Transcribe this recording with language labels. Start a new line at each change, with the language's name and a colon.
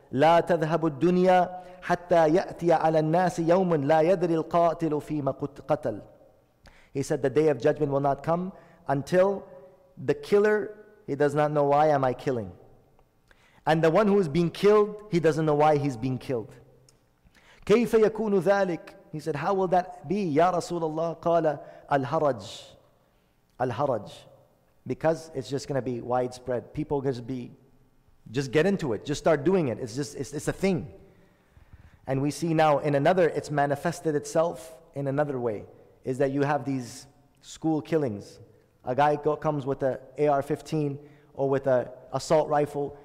Arabic: لَا تَذْهَبُ الدُّنْيَا حَتَّى يَأْتِيَ عَلَى النَّاسِ يَوْمٌ لَا يَدْرِ الْقَاتِلُ فِيمَ قُتْقَتَلُ.
English: He said, the day of judgment will not come until the killer, he does not know why am I killing. And the one who is being killed, he doesn't know why he's being killed.
Arabic: كَيْفَ يَكُونُ ذَلِكَ,
English: he said, how will that be,
Arabic: يَا رَسُولَ اللَّهِ, قَالَ الْهَرَجِ, الْهَرَجِ.
English: Because it's just going to be widespread. People going to be, just get into it. Just start doing it. It's a thing. And we see now in another, it's manifested itself in another way. Is that you have these school killings. A guy comes with an AR-15 or with an assault rifle.